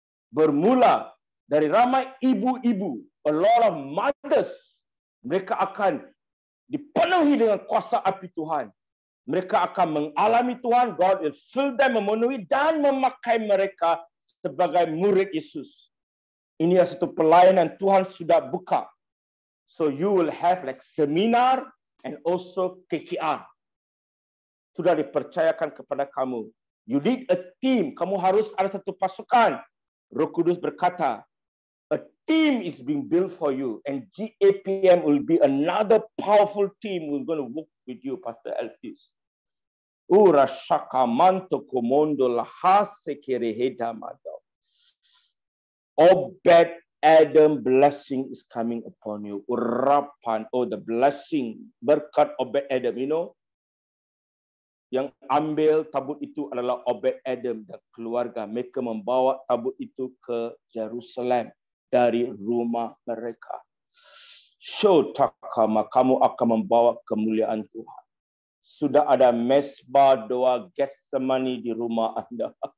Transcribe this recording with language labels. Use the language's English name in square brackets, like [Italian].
[Malay] Bermula dari ramai ibu-ibu, [English] a lot of mothers, [Malay] mereka akan dipenuhi dengan kuasa api Tuhan. Mereka akan mengalami Tuhan, [English] God will fill them, [Malay] memenuhi dan memakai mereka sebagai murid Yesus. Ini adalah satu pelayanan Tuhan sudah buka. [English] So you will have like seminar and also KKR. [Malay] Sudah dipercayakan kepada kamu. [English] You need a team. [Malay] Kamu harus ada satu pasukan. Roh Kudus berkata, [English] a team is being built for you. And GAPM will be another powerful team who is going to work with you, Pastor Elfis. Ura shakamanto komondo lahase kereheda madam. Obed Adam blessing is coming upon you. [Malay] Urapan, [English] oh the blessing, [Malay] berkat Obed Adam, [English] you know? [Malay] Yang ambil tabut itu adalah Obed Adam dan keluarga. Mereka membawa tabut itu ke Jerusalem dari rumah mereka. So, takama, kamu akan membawa kemuliaan Tuhan. Sudah ada mesbah doa Getsemani di rumah anda.